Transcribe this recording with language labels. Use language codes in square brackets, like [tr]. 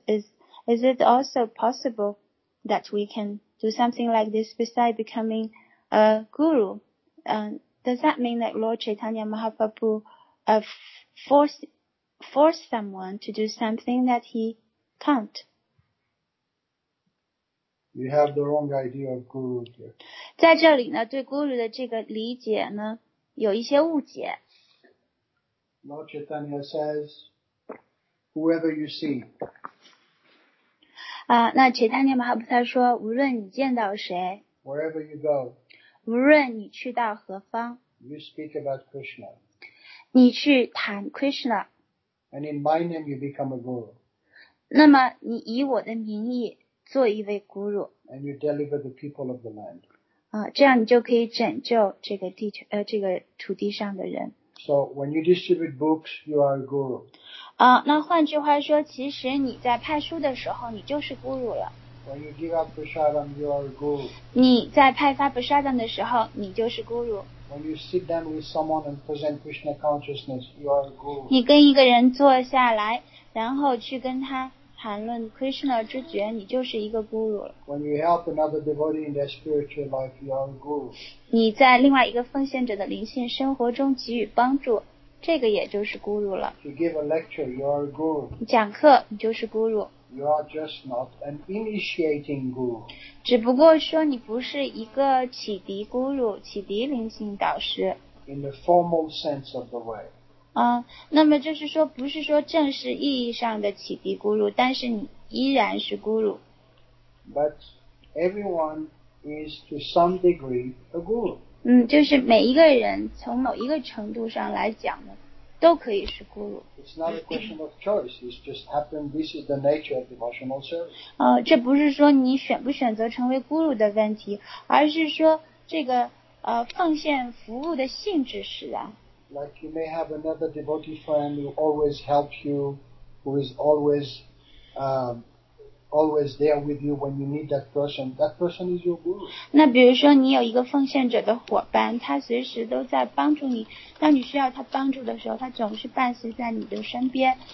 [en] Is it also possible that we can do something like this besides becoming a guru? Does that mean that Lord Chaitanya Mahaprabhu forced someone to do something that he can't? You have the wrong idea of guru here. [zh] 在这里呢，对 guru 的这个理解呢，有一些误解。 [en] Lord Chaitanya says, whoever you see. [zh] 那 Chaitanya Mahaprabhu 说，无论你见到谁。 [en] Wherever you go. [zh] 无论你去到何方。 [en] You speak about Krishna. [zh] 你去谈 Krishna. [en] And in my name you become a guru. [zh] 那么你以我的名义。做一位 guru, [en] and you deliver the people of the land. [zh] 这样你就可以拯救这个地球这个土地上的人。 [en] So when you distribute books, you are a guru. [zh] 那换句话说，其实你在派书的时候，你就是 guru 了。 [en] When you give out prasadam, you are a guru. [zh] 你在派发 prasadam 的时候，你就是 guru。 [en] When you sit down with someone and present Krishna consciousness, you are a guru. [zh] 你跟一个人坐下来，然后去跟他。谈论 Krishna 之觉，你就是一个 guru 了。 [en] When you help another devotee in their spiritual life, you are a guru. [zh] 你在另外一个奉献者的灵性生活中给予帮助，这个也就是 guru 了。 [en] You give a lecture, you are a guru. [zh] 讲课，你就是 guru. [en] You are just not an initiating guru. [zh] 只不过说你不是一个启迪 guru, 启迪灵性导师。 [en] In the formal sense of the way. [zh] 那么就是说不是说正式意义上的启迪 guru, 但是你依然是 guru. [en] But everyone is to some degree a guru. [zh] 就是每一个人从某一个程度上来讲呢都可以是 guru. [en] It's not a question of choice, it's just happened, this is the nature of devotional service. [zh] 这不是说你选不选择成为 guru 的问题，而是说这个奉献服务的性质使然。 [en] Like you may have another devotee friend who always helps you, who is always, always there with you when you need that person. That person is your guru. [zh] 那比如说你有一个奉献者的伙伴，他随时都在帮助你。当你需要他帮助的时候，他总是伴随在你的身边。